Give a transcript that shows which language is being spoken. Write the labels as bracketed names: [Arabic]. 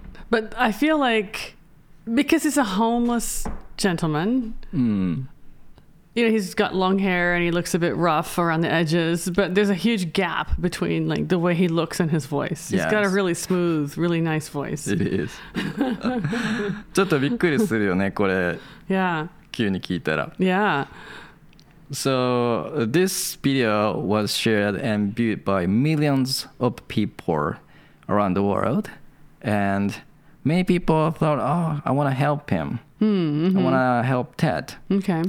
[English] But I feel like, because he's a homeless gentleman, you know, he's got long hair and he looks a bit rough around the edges, but there's a huge gap between like the way he looks and his voice. Yes. He's got a really smooth, really nice voice. It is. [Japanese] ちょっとびっくりするよね、これ。 [English] Yeah. [Japanese] 急に聞いたら。 [English] Yeah. So this video was shared and viewed by millions of people around the world. And many people thought, oh, I want to help him. I want to help Ted. Okay.